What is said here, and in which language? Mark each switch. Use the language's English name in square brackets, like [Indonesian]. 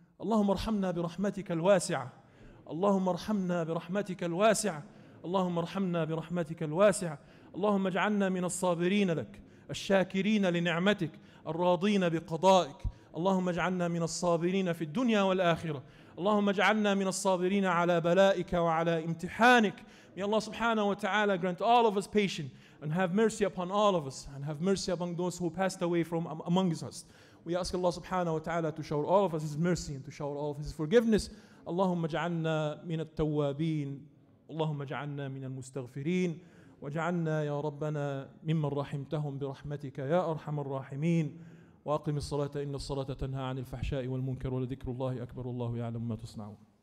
[Arabic] اللهم ارحمنا برحمتك الواسعة. اللهم ارحمنا برحمتك الواسعة. اللهم ارحمنا برحمتك الواسعة. اللهم اجعلنا من الصابرين لك الشاكرين لنعمتك الراضين بقضائك. اللهم اجعلنا من الصابرين في الدنيا والآخرة. اللهم اجعلنا من الصابرين على بلائك وعلى امتحانك. [English] May Allah subhanahu wa ta'ala grant all of us patience and have mercy upon all of us and have mercy among those who passed away from among us. We ask Allah subhanahu wa ta'ala to shower all of us His mercy and to shower all of His forgiveness. [Arabic] اللهم اجعلنا من التوابين. اللهم اجعلنا من المستغفرين. واجعلنا يا ربنا ممن رحمتهم برحمتك يا أرحم الراحمين. وأقم الصلاة إن الصلاة تنهى عن الفحشاء والمنكر ولذكر الله أكبر والله يعلم ما تصنعون.